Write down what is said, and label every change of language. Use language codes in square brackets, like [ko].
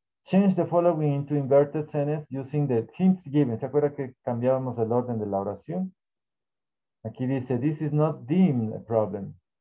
[en] Change the following into inverted sentence using the hints given. [es] ¿Se acuerda que cambiábamos el orden de la oración? Aquí dice, [en] this is not deemed a problem.